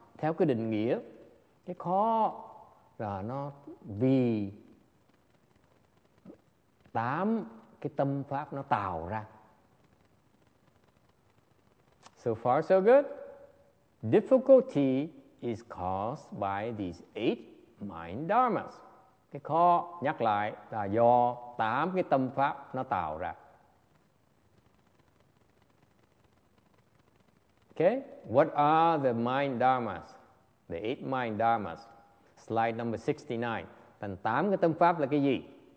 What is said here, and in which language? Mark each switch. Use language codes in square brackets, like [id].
[vi] Theo cái định nghĩa, cái khó là nó vì tám cái tâm pháp nó tạo ra. [en] So far so good. Difficulty is caused by these eight mind dharmas. [vi] Cái khó nhắc lại là do tám cái tâm pháp nó tạo ra. [en] Okay, what are the mind dharmas? The eight mind dharmas. Slide number 69. [vi] Thành tám cái tâm pháp là cái gì?